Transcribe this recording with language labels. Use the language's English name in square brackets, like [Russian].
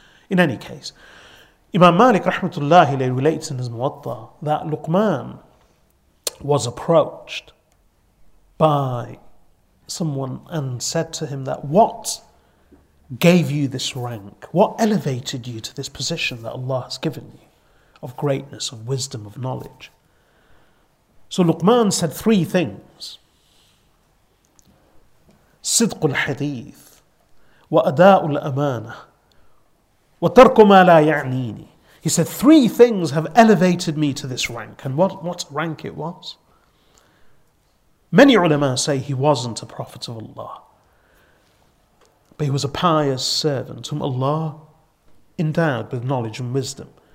[English] In any case, Imam Malik rahmatullahi alayhi relates in his Muwatta that Luqman was approached by someone and said to him that, what gave you this rank? What elevated you to this position that Allah has given you of greatness, of wisdom, of knowledge? So Luqman said three things: [Arabic] صدق الحديث وأداء الأمانة وترك ما لا يعنيني. [English] He said three things have elevated me to this rank. And what rank it was? Many ulama say he wasn't a prophet of Allah, but he was a pious servant whom Allah endowed with knowledge and wisdom.